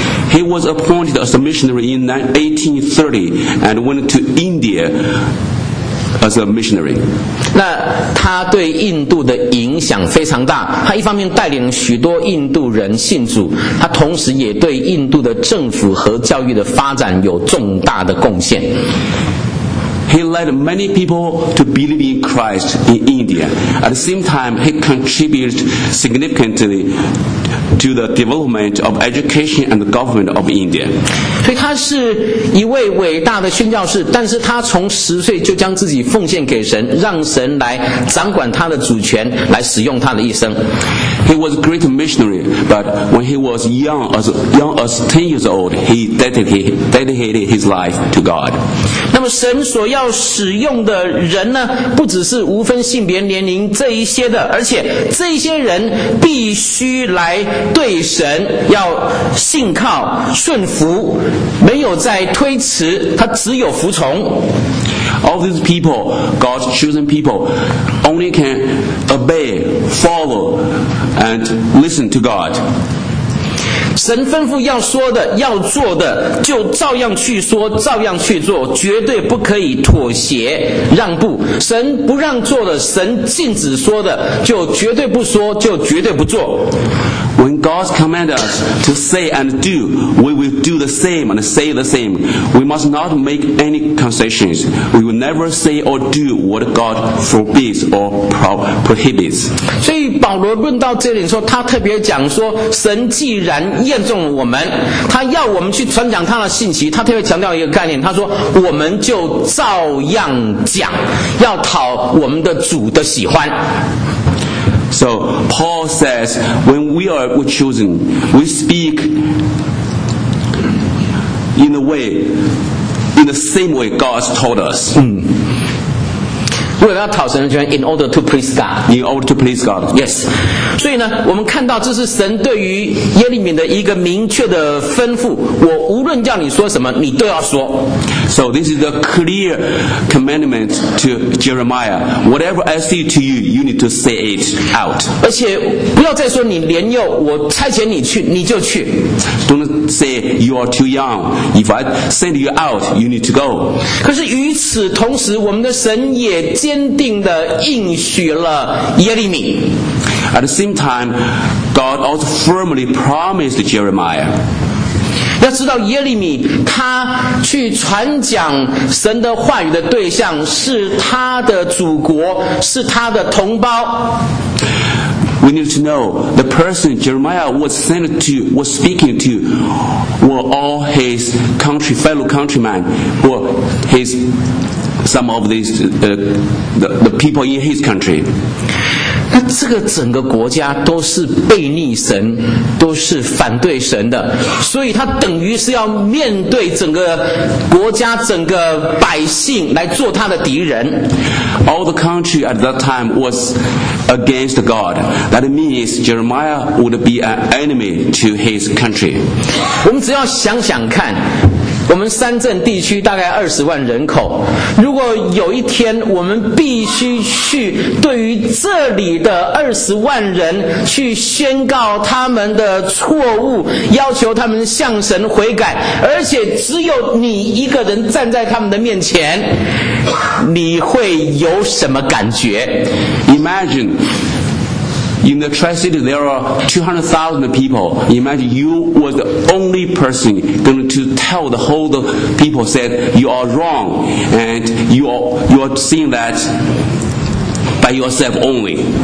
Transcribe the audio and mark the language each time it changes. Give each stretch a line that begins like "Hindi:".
English: He was appointed as a missionary in 1830 and went to India as a missionary.
Chinese: 那他对印度的影响非常大，他一方面带领许多印度人信主，他同时也对印度的政府和教育的发展有重大的贡献。
English: He led many people to believe in Christ in India. At the same time, he contributed significantly to the development of education and the government of India.
Chinese: 所以他是一位伟大的宣教士，但是他从十岁就将自己奉献给神，让神来掌管他的主权，来使用他的一生。
English: He was a great missionary, but when he was young as 10 years old, he dedicated his life to God.
Chinese: 那么神所要使用的人呢，不只是无分性别、年龄这一些的，而且这些人必须来对神要信靠、顺服，没有在推辞，他只有服从。
English: All these people, God's chosen people, only can obey, follow, and listen to God.
Chinese: 神吩咐要说的、要做的，就照样去说、照样去做，绝对不可以妥协、让步。神不让做的、神禁止说的，就绝对不说、就绝对不做。
English: When God commands us to say and do, we will do the same and say the same. We must not make any concessions. We will never say or do what God forbids or prohibits.
Chinese: 所以保罗论到这里的时候，他特别讲说，神既然验证了我们，他要我们去传讲他的信息，他特别强调一个概念，他说我们就照样讲，要讨我们的主的喜欢。
English: So Paul says, when we are chosen, we speak in a way, in the same way God told us.
Chinese: 为了要讨神的喜欢 ，
English: in order to please God. In order to please God. Yes.
Chinese: 所以呢，我们看到这是神对于耶利米的一个明确的吩咐。我无论叫你说什么，你都要说。
English: So this is a clear commandment to Jeremiah. Whatever I say to you, you need to say it out.
Chinese: 而且不要再说你年幼，我差遣你去，你就去。
English: Don't say you are too young. If I send you out, you need to go.
Chinese: 可是与此同时，我们的神也坚定地应许了耶利米。
English: At the same time, God also firmly promised Jeremiah.
Chinese: 要知道耶利米他去传讲神的话语的对象是他的祖国，是他的同胞。
English: We need to know the person Jeremiah was sent to, was speaking to, were all his country, fellow countrymen, were his, some of these, the people in his country.
Chinese: 那这个整个国家都是悖逆神，都是反对神的，所以他等于是要面对整个国家整个百姓来做他的敌人。
English: All the country at that time was against God. That means Jeremiah would be an enemy to his country.
Chinese: 我们只要想想看，我们三镇地区大概20万人口，如果有一天我们必须去对于这里的20万人去宣告他们的错误，要求他们向神悔改，而且只有你一个人站在他们的面前，你会有什么感觉？
English: Imagine in the tri-city there are 200,000 people. Imagine you was the only person going to tell the whole people said you are wrong and you are seeing that by yourself only.